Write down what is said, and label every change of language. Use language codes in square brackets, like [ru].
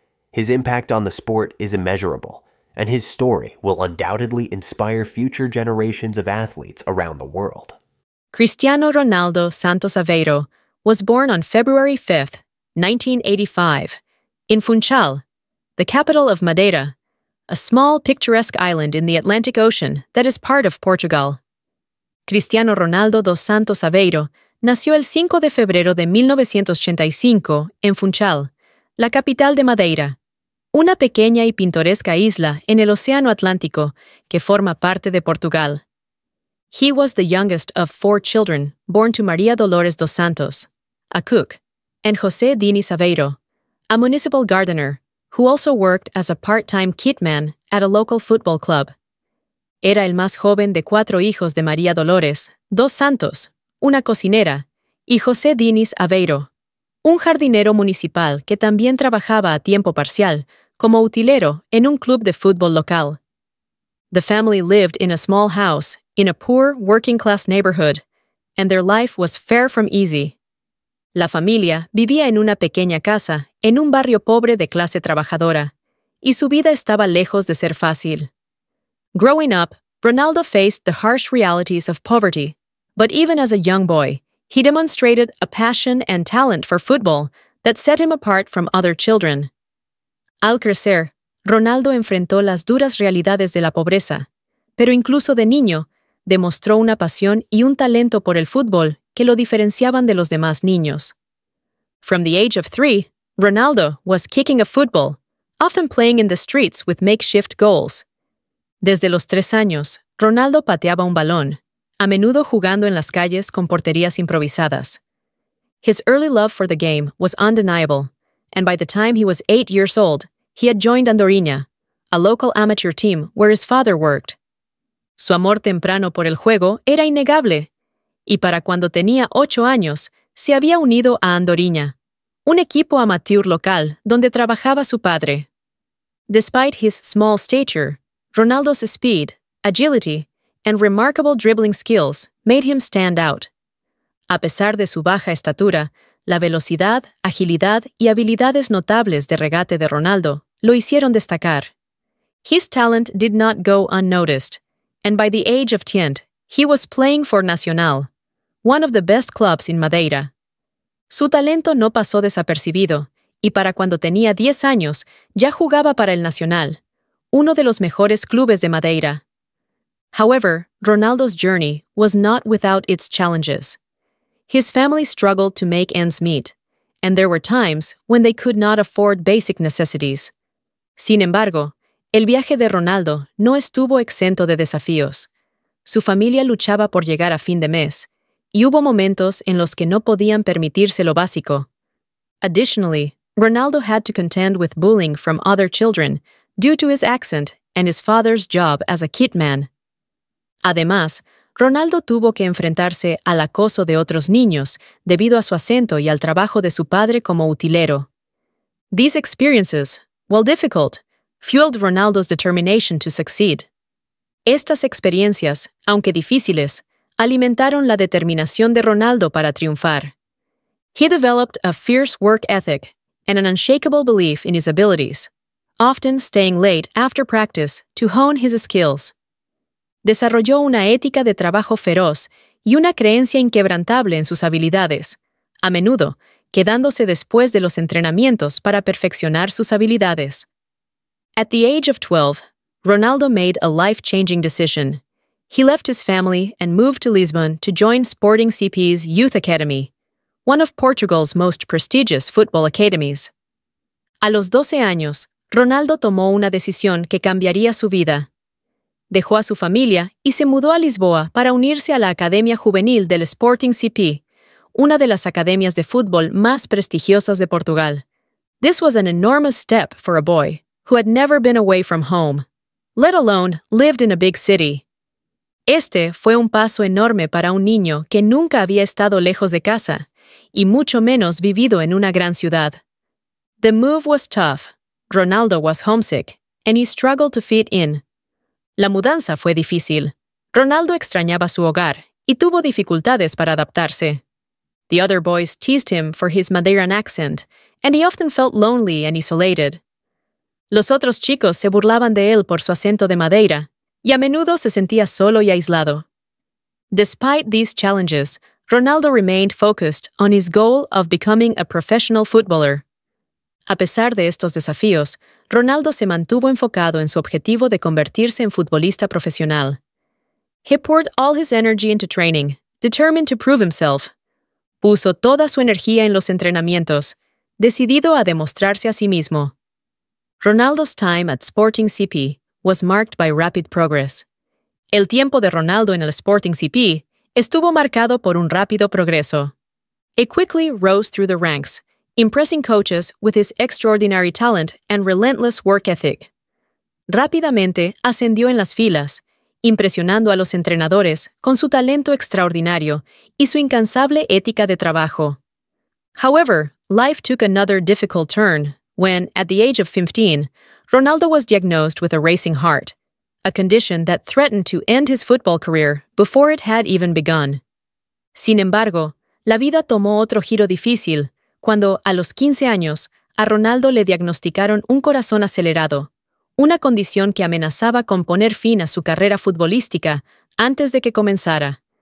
[en] His impact on the sport is immeasurable, and his story will undoubtedly inspire future generations of athletes around the world. Cristiano Ronaldo Santos Aveiro was born on February 5, 1985, in Funchal, the capital of Madeira, a small picturesque island in the Atlantic Ocean that is part of Portugal. [es] Cristiano Ronaldo dos Santos Aveiro nació el 5 de febrero de 1985 en Funchal, la capital de Madeira, una pequeña y pintoresca isla en el Océano Atlántico que forma parte de Portugal. [en] He was the youngest of four children born to Maria Dolores dos Santos, a cook, and José Diniz Aveiro, a municipal gardener who also worked as a part-time kit man at a local football club. [es] Era el más joven de cuatro hijos de María Dolores, dos Santos, una cocinera, y José Diniz Aveiro, un jardinero municipal que también trabajaba a tiempo parcial como utilero en un club de fútbol local. [en] The family lived in a small house in a poor working-class neighborhood, and their life was far from easy. [es] La familia vivía en una pequeña casa en un barrio pobre de clase trabajadora, y su vida estaba lejos de ser fácil. [en] Growing up, Ronaldo faced the harsh realities of poverty, but even as a young boy, he demonstrated a passion and talent for football that set him apart from other children. [es] Al crecer, Ronaldo enfrentó las duras realidades de la pobreza, pero incluso de niño, demostró una pasión y un talento por el fútbol que lo diferenciaban de los demás niños. [en] From the age of 3, Ronaldo was kicking a football, often playing in the streets with makeshift goals. [es] Desde los 3 años, Ronaldo pateaba un balón, a menudo jugando en las calles con porterías improvisadas. [en] His early love for the game was undeniable, and by the time he was 8 years old, he had joined Andorinha, a local amateur team where his father worked. [es] Su amor temprano por el juego era innegable, y para cuando tenía 8 años, se había unido a Andorinha, un equipo amateur local donde trabajaba su padre. [en] Despite his small stature, Ronaldo's speed, agility, and remarkable dribbling skills made him stand out. [es] A pesar de su baja estatura, la velocidad, agilidad, y habilidades notables de regate de Ronaldo lo hicieron destacar. [en] His talent did not go unnoticed, and by the age of 10, he was playing for Nacional, one of the best clubs in Madeira. [es] Su talento no pasó desapercibido, y para cuando tenía 10 años, ya jugaba para el Nacional, uno de los mejores clubes de Madeira. [en] However, Ronaldo's journey was not without its challenges. His family struggled to make ends meet, and there were times when they could not afford basic necessities. [es] Sin embargo, el viaje de Ronaldo no estuvo exento de desafíos. Su familia luchaba por llegar a fin de mes, y hubo momentos en los que no podían permitirse lo básico. [en] Additionally, Ronaldo had to contend with bullying from other children due to his accent and his father's job as a kit man. [es] Además, Ronaldo tuvo que enfrentarse al acoso de otros niños debido a su acento y al trabajo de su padre como utilero. [en] These experiences, while difficult, fueled Ronaldo's determination to succeed. [es] Estas experiencias, aunque difíciles, alimentaron la determinación de Ronaldo para triunfar. [en] He developed a fierce work ethic and an unshakable belief in his abilities, often staying late after practice to hone his skills. [es] Desarrolló una ética de trabajo feroz y una creencia inquebrantable en sus habilidades, a menudo quedándose después de los entrenamientos para perfeccionar sus habilidades. [en] At the age of 12, Ronaldo made a life-changing decision. He left his family and moved to Lisbon to join Sporting CP's Youth Academy, one of Portugal's most prestigious football academies. [es] A los 12 años, Ronaldo tomó una decisión que cambiaría su vida. Dejó a su familia y se mudó a Lisboa para unirse a la Academia Juvenil del Sporting CP, una de las academias de fútbol más prestigiosas de Portugal. [en] This was an enormous step for a boy who had never been away from home, let alone lived in a big city. [es] Este fue un paso enorme para un niño que nunca había estado lejos de casa y mucho menos vivido en una gran ciudad. [en] The move was tough. Ronaldo was homesick, and he struggled to fit in. [es] La mudanza fue difícil. Ronaldo extrañaba su hogar y tuvo dificultades para adaptarse. [en] The other boys teased him for his Madeiran accent, and he often felt lonely and isolated. [es] Los otros chicos se burlaban de él por su acento de Madeira, y a menudo se sentía solo y aislado. [en] Despite these challenges, Ronaldo remained focused on his goal of becoming a professional footballer. [es] A pesar de estos desafíos, Ronaldo se mantuvo enfocado en su objetivo de convertirse en futbolista profesional. [en] He poured all his energy into training, determined to prove himself. [es] Puso toda su energía en los entrenamientos, decidido a demostrarse a sí mismo. [en] Ronaldo's time at Sporting CP was marked by rapid progress. [es] El tiempo de Ronaldo en el Sporting CP estuvo marcado por un rápido progreso. [en] He quickly rose through the ranks, impressing coaches with his extraordinary talent and relentless work ethic. [es] Rápidamente ascendió en las filas, impresionando a los entrenadores con su talento extraordinario y su incansable ética de trabajo. [en] However, life took another difficult turn when, at the age of 15, Ronaldo was diagnosed with a racing heart, a condition that threatened to end his football career before it had even begun. [es] Sin embargo, la vida tomó otro giro difícil cuando, a los 15 años, a Ronaldo le diagnosticaron un corazón acelerado, una condición que amenazaba con poner fin a su carrera futbolística antes de que comenzara.